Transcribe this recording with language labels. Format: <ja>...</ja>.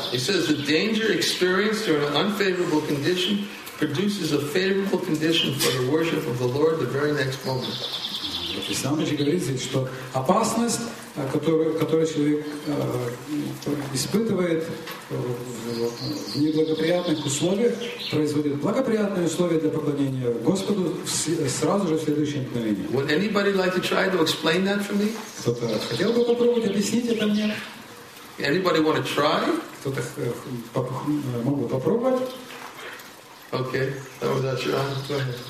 <en>He says the danger experienced during an unfavorable condition produces a favorable condition for the worship of the Lord the very next moment.</en> <ru>Писание говорит здесь, что опасность, которую человек испытывает в неблагоприятных условиях, производит благоприятные условия для поклонения Господу сразу же в следующее мгновение.</ru> <en>Would anybody like to try to explain that for me?</en> <ru>Кто-то хотел бы попробовать объяснить это мне?</ru> <en>Anybody want to try?</en> <ru>Кто-то мог бы попробовать?</ru> <en>Okay, that was that your answer.</en>